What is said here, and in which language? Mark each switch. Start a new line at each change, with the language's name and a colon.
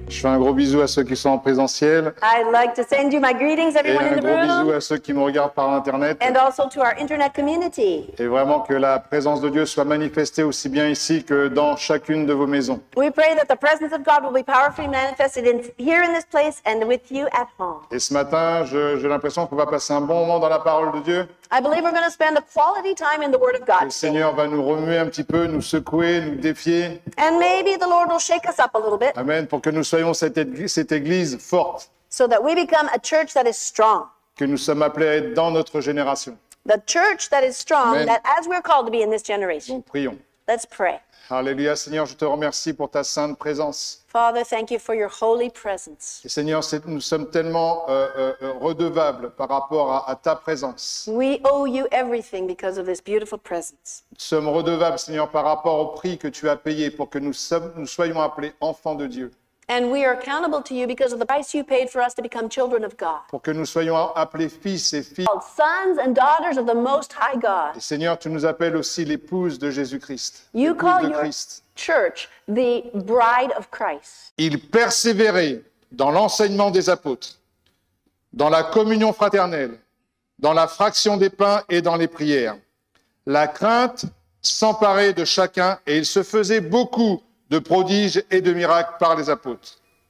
French: Je fais un gros bisou à ceux qui sont en présentiel.
English: I'd like to send you my greetings, everyone in the room.
French: Et un gros bisou à ceux qui nous regardent par Internet.
English: And also to our Internet community.
French: Et vraiment que la présence de Dieu soit manifestée aussi bien ici que dans chacune de vos maisons.
English: We pray that the presence of God will be powerfully manifested in, here in this place and with you at home.
French: Et ce matin, j'ai l'impression qu'on va passer un bon moment dans la parole de Dieu.
English: I believe we're going to spend a quality time in the Word of God.
French: Le Seigneur va nous remuer un petit peu, nous secouer, nous défier.
English: And maybe the Lord will shake us up a little bit.
French: Amen. Pour que nous soyons cette église forte.
English: So that we become a church that is strong.
French: Que nous sommes appelés à être dans notre génération.
English: The church that is strong, Amen. That as we're called to be in this generation.
French: Nous prions.
English: Let's pray.
French: Alléluia, Seigneur, je te remercie pour ta sainte présence.
English: Father, thank you for your holy presence.
French: Et Seigneur, nous sommes tellement redevables par rapport à ta présence.
English: We owe you everything because of this beautiful presence.
French: Nous sommes redevables, Seigneur, par rapport au prix que tu as payé pour que nous soyons appelés enfants de Dieu.
English: And we are accountable to you because of the price you paid for us to become children of God.
French: Pour que nous soyons appelés fils et filles.
English: Called sons and daughters of the Most High God.
French: Et Seigneur, tu nous appelles aussi l'épouse de Jésus-Christ.
English: You call your church the bride of Christ.
French: Ils persévéraient dans l'enseignement des apôtres, dans la communion fraternelle, dans la fraction des pains et dans les prières. La crainte s'emparait de chacun et il se faisait beaucoup de prodiges et de miracles par les apôtres.